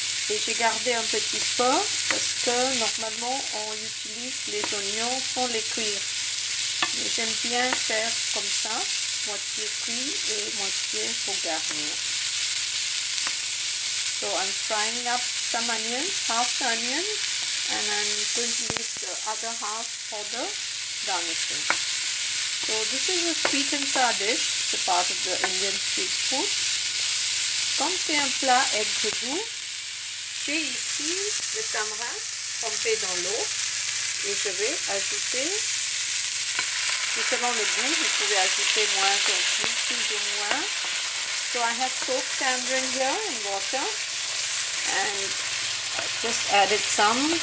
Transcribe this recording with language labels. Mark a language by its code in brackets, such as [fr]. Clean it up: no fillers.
[fr] Et j'ai gardé un petit peu parce que normalement on utilise les oignons sans les cuire. Mais j'aime bien faire comme ça, moitié cuit et moitié pour garnir. [en] So I'm frying up some onions, half the onion, and I'm going to leave the other half for the garnishing. So this is a sweet and sour dish, it's a part of the Indian street food. [fr] Comme c'est un plat aigre doux, j'ai ici le tamarin trempé dans l'eau et je vais ajouter, selon le goût, vous pouvez ajouter moins ou plus ou moins. [en] So I have soaked tamarind here in water and just added some.